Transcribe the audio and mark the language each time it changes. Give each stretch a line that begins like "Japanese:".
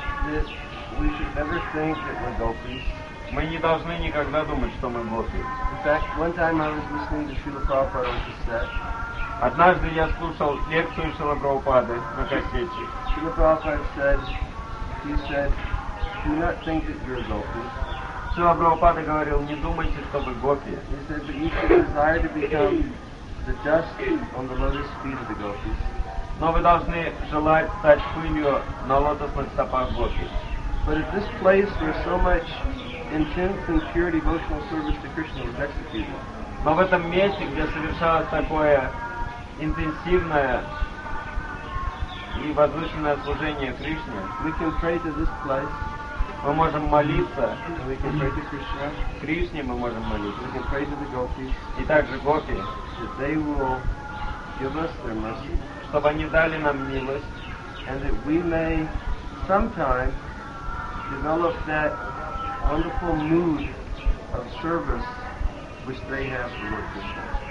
English: That we should never think that we're gopis.
Russian: Мы не должны никогда думать, что мы гопи.
English: In fact, one time I was listening to Srila Prabhupada on cassette.
Russian: Однажды я слушал лекцию Шрила Прабхупады на кассете.
English: Srila Prabhupada said, he said, do not think that you're a gopi.
Russian: Шрила Прабхупада говорил, не думайте, что вы гопи.
English: He said, but you should desire to become the dust on the lotus feet of the gopis.
Russian: Но вы должны желать стать пылью на лотосных стопах гопи.
English: But at this place where so much intense and pure devotional service to Krishna was executed.
Russian: Но в этом месте, где совершалось такое интенсивное и возвышенное служение Кришне,
English: we can pray to this place.
Russian: Мы можем молиться.
English: We can pray to Krishna.
Russian: Кришне мы можем молиться.
English: We can pray to the gopis.
Russian: И также гопи.
English: That they will give us their mercy.
Russian: Чтобы они дали нам милость.
English: And that we may sometime develop that wonderful mood of service which they have for Lord Krishna.